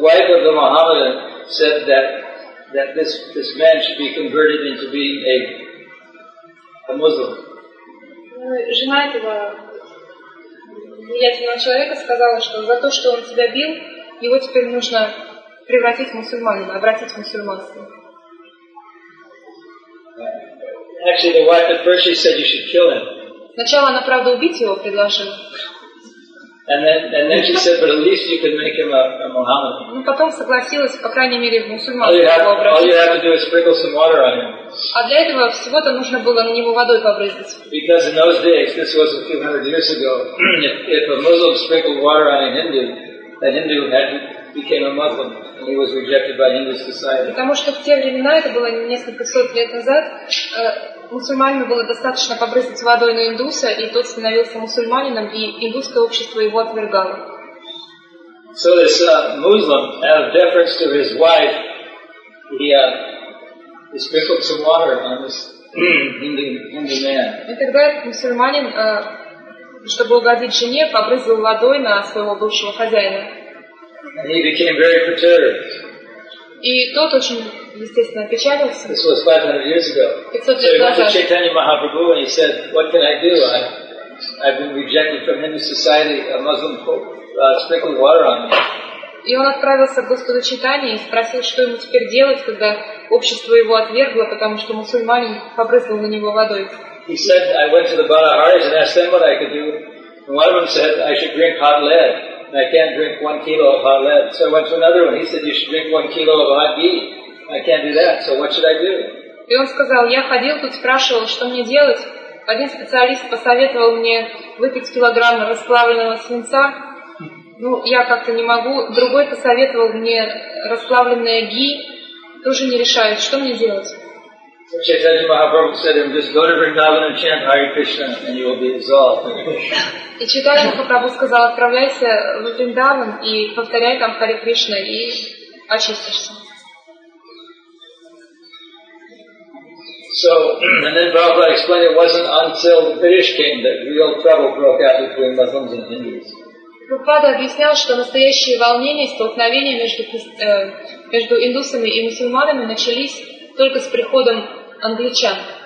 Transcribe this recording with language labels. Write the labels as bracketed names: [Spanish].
[English] wife of the Mohammedan said that this man should be converted into being a Muslim. [Russian] Жена этого влиятельного человека сказала, что за то, что он тебя бил, его теперь нужно превратить в мусульманина, обратить в мусульманство. [English] Actually, the wife at first she said you should kill him. [Russian] Сначала она, правда, убить его предложила. [English] And then she said, but at least you can make him a Mohammedan. [Russian] Ну, потом согласилась, по крайней мере, в мусульманском образе. [English] All you have to do is sprinkle some water on him. [Russian] А для этого всего-то нужно было на него водой побрызгать. [English] Because in those days, this was a few hundred years ago, if a Muslim sprinkled water on a Hindu, the Hindu became a Muslim, and he was rejected by Hindu society. [Russian] Потому что в те времена, это было несколько сот лет назад, мусульманину было достаточно побрызгать водой на индуса, и тот становился мусульманином, и индусское общество его отвергало. [English] So this Muslim, out of deference to his wife, he sprinkled some water on this Hindu man. [Russian] И тогда этот мусульманин, чтобы угодить жене, побрызгал водой на своего бывшего хозяина. [English] And he became very perturbed. [Russian] И тот очень, естественно, опечалился. [English] This was 500 years ago. So he went to Chaitanya Mahaprabhu and he said, what can I do? I've been rejected from Hindu society, a Muslim sprinkled water on me. [Russian] И он отправился к Господу Чайтанье и спросил, что ему теперь делать, когда общество его отвергло, потому что мусульманин побрызгал на него водой. [English] He said, I went to the Balaharis and asked them what I could do. And one of them said, I should drink hot lead. I can't drink 1 kilo of hot lead. So I went to another one. He said, you should drink 1 kilo of hot ghee. I can't do that. So what should I do? [Russian] И он сказал, я ходил тут, спрашивал, что мне делать. Один специалист посоветовал мне выпить килограмм расплавленного свинца, Ну, я как-то не могу. Другой посоветовал мне расплавленное ги. Тоже не решает. Что мне делать? [English] Чайтанья Махапрабху said him, just go to Vrindavan and chant Hare Krishna and you will be dissolved. [Russian] И Чайтанья Махапрабху сказал, отправляйся в Вриндаван и повторяй там Хари Кришна и очистишься. [English] So, and then Prabhupada explained it wasn't until the British came that real trouble broke out between Muslims and Hindus. [Russian] Прабхупада объяснял, что настоящие волнения, столкновения между индусами и мусульманами начались только с приходом англичан.